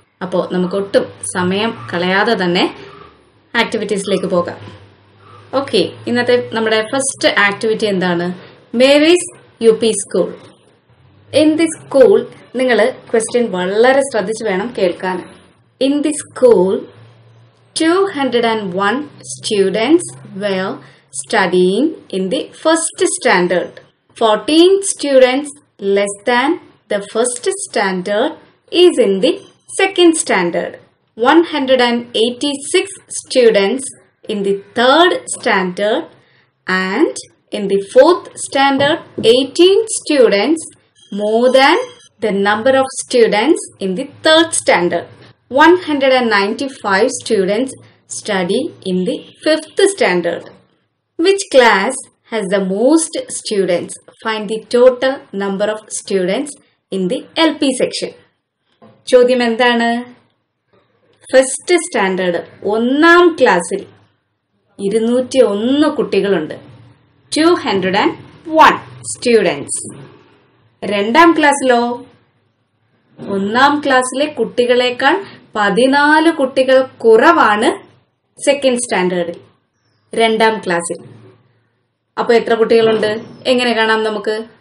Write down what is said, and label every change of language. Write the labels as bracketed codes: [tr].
[ml] അപ്പോൾ നമുക്കൊട്ടും സമയം കളയാതെ തന്നെ ആക്ടിവിറ്റീസിലേക്ക് പോകാം. ഓക്കെ, ഇന്നത്തെ നമ്മുടെ ഫസ്റ്റ് ആക്ടിവിറ്റി എന്താണ്? Mary's U P school. In the school, നിങ്ങൾ ക്വസ്റ്റ്യൻ വളരെ ശ്രദ്ധിച്ച് വേണം കേൾക്കാൻ. [en] In the school 201 students were studying in the first standard. 14 students less than the first standard is in the second standard. 186 students in the third standard, and in the fourth standard 18 students more than the number of students in the third standard. 195 students study in the 5th standard. Which class has the most students? Find the total number of students in the LP section. [ml] ചോദ്യം എന്താണ്? First standard ഒന്നാം ക്ലാസ്സിൽ 201 കുട്ടികളുണ്ട്. 201 students. രണ്ടാം ക്ലാസ്സിലോ? ഒന്നാം ക്ലാസ്സിലെ കുട്ടികളെക്കാൾ 14 കുട്ടികൾ കുറവാണ് സെക്കൻഡ് സ്റ്റാൻഡേർഡിൽ, രണ്ടാം ക്ലാസ്സിൽ. അപ്പൊ എത്ര കുട്ടികളുണ്ട്? എങ്ങനെ കാണാം നമുക്ക്?